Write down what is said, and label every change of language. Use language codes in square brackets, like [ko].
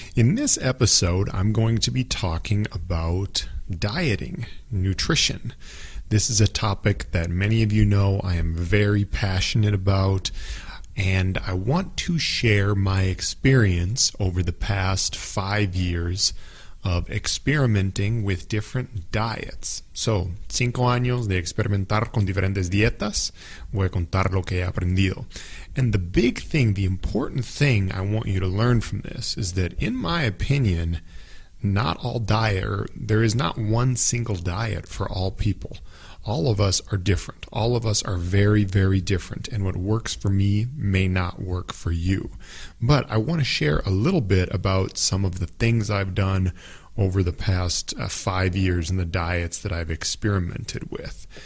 [en] In this episode, I'm going to be talking about dieting, nutrition. This is a topic that many of you know I am very passionate about, and I want to share my experience over the past 5 years of experimenting with different diets. [es] So, 5 años de experimentar con diferentes dietas, voy a contar lo que he aprendido. [en] And the big thing, the important thing I want you to learn from this is that, in my opinion, there is not one single diet for all people. All of us are different. All of us are very, very different. And what works for me may not work for you. But I want to share a little bit about some of the things I've done over the past 5 years and the diets that I've experimented with.